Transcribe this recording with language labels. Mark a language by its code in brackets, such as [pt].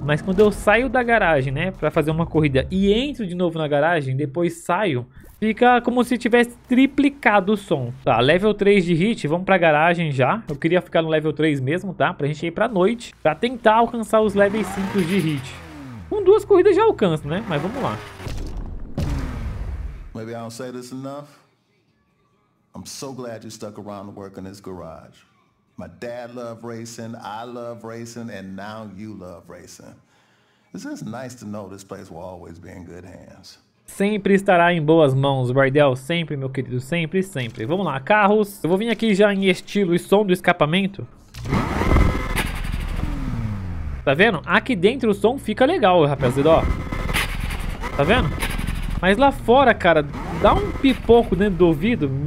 [pt] Mas quando eu saio da garagem, né, pra fazer uma corrida e entro de novo na garagem, depois saio, fica como se tivesse triplicado o som. Tá, level 3 de hit, vamos pra garagem já. Eu queria ficar no level 3 mesmo, tá? Pra gente ir pra noite, pra tentar alcançar os level 5 de hit. Com 2 corridas já alcanço, né? Mas vamos lá. [en] Maybe I don't say this enough. I'm so glad you stuck around to work in this garage. My dad loved racing, I love racing, and now you love racing. It's just nice to know this place will always be in good hands. [pt] Sempre estará em boas mãos, Bardell. Sempre, meu querido. Sempre, sempre. Vamos lá, carros. Eu vou vir aqui já em estilo e som do escapamento. Tá vendo? Aqui dentro o som fica legal, rapaziada, ó. Tá vendo? Mas lá fora, cara, dá um pipoco dentro do ouvido.